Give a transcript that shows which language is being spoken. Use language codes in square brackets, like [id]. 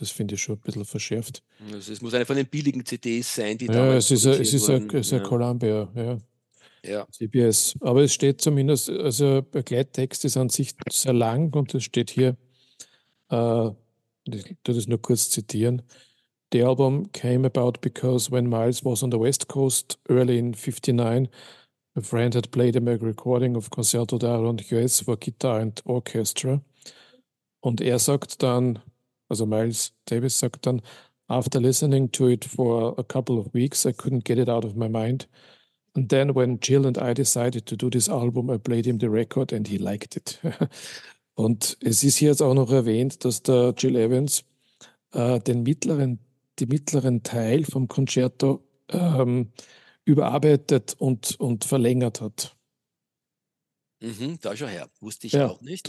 [de] Das finde ich schon ein bisschen verschärft. Also es muss eine von den billigen CDs sein, die da. Ja, es ist ein Columbia, ja. Ja. CBS. Aber es steht zumindest, also der Begleittext ist an sich sehr lang und es steht hier, ich tue das nur kurz zitieren, [en] The album came about because when Miles was on the West Coast early in 59, a friend had played him a recording of Concerto d'Arrangeaux for guitar and orchestra. [de] Und er sagt dann, [en] also Miles Davis sagt dann, after listening to it for a couple of weeks, I couldn't get it out of my mind. And then when Jill and I decided to do this album, I played him the record and he liked it. [de] Und es ist hier jetzt auch noch erwähnt, dass der Jill Evans den mittleren Teil vom Concerto überarbeitet und verlängert hat. Mhm, da schon her, wusste ich ja auch nicht.